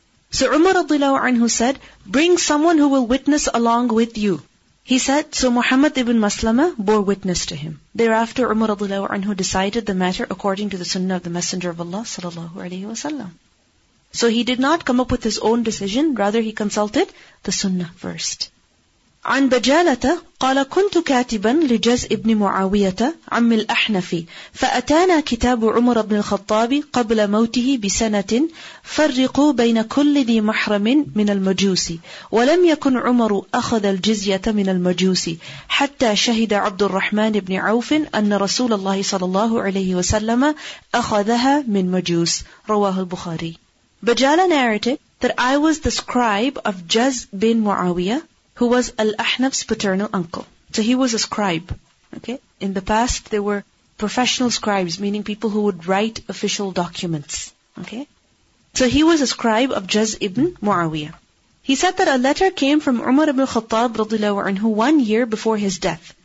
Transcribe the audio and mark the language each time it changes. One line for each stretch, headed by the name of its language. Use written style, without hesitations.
English: So Umar radiallahu anhu said, bring someone who will witness along with you. He said, so Muhammad ibn Maslama bore witness to him. Thereafter, Umar radiallahu anhu decided the matter according to the sunnah of the Messenger of Allah sallallahu alayhi wa sallam. So he did not come up with his own decision, rather he consulted the sunnah first.
Arabic: عن بجالة قال كنت كاتبا لجزء ابن معاوية عم الأحنف فأتانا كتاب عمر بن الخطاب قبل موته بسنة فرقوا بين كل ذي محرم من المجوس ولم يكن عمر أخذ الجزية من المجوس حتى شهد عبد الرحمن بن عوف أن رسول الله صلى الله عليه وسلم أخذها من مجوس رواه البخاري.
English: بجالة narrated that I was the scribe of جزء بن معاوية, who was Al-Ahnaf's paternal uncle. So he was a scribe. Okay. In the past, there were professional scribes, meaning people who would write official documents. Okay. So he was a scribe of Jaz ibn Muawiyah. He said that a letter came from Umar ibn Khattab radiallahu anhu 1 year before his death.